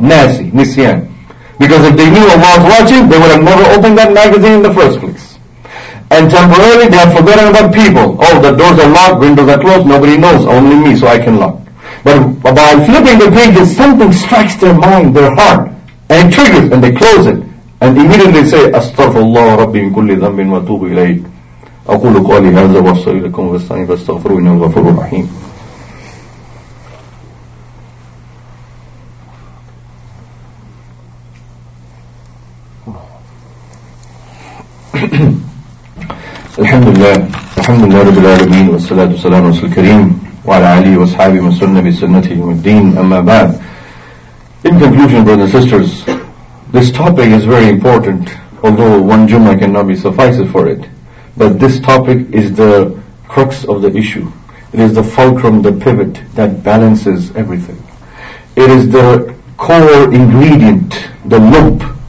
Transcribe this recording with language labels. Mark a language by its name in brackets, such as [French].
[Arabic] Nasi, nisyan. [English] Because if they knew Allah was watching, they would have never opened that magazine in the first place. And temporarily, they have forgotten about people. Oh, the doors are locked, windows are closed, nobody knows, only me, so I can lock. But by flipping the pages, something strikes their mind, their heart, and it triggers, and they close it. And immediately they say, [Arabic] Astaghfirullah Rabbi min kulli dhanbin wa atubu ilayk. أقول قولي هذا وأصلي لكم واستغفر فاستغفروا إنه غفور رحيم. الحمد لله الحمد لله رب العالمين والصلاة والسلام على رسول الكريم وعلى آله وصحبه من سنة بسنته يوم الدين أما بعد. [English] In conclusion, brothers and sisters, this topic is very important, although one jumma cannot be suffices for it. But this topic is the crux of the issue. It is the fulcrum, the pivot that balances everything. It is the core ingredient, the loop.